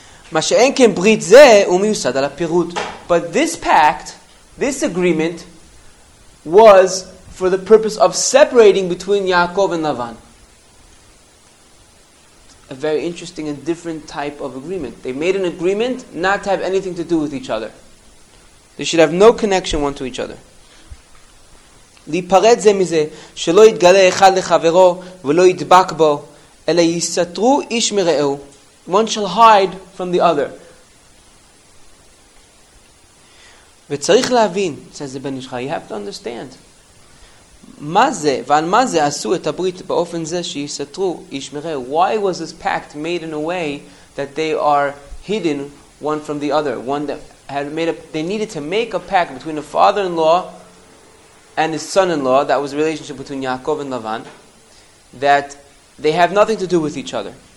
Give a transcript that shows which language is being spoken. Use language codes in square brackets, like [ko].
[he] Ma she'en ken brit ze umiyusad al hapirut. [en] But this pact, this agreement, was for the purpose of separating between Yaakov and Lavan. A very interesting and different type of agreement. They made an agreement not to have anything to do with each other. They should have no connection one to each other. [he] להיפרד זה מזה, שלא יתגלה אחד לחברו ולא ידבק בו, אלא יסתרו איש מרעהו. [en] One shall hide from the other. [he] וצריך להבין, [en] says the [he] Ben Ishchai, [en] you have to understand. [he] מה זה, ועל מה זה עשו את הברית באופן זה שיסתרו איש מרעהו? [en] Why was this pact made in a way that they are hidden one from the other? One that had made up, they needed to make a pact between a father-in-law and his son-in-law, that was a relationship between Yaakov and Lavan, that they have nothing to do with each other.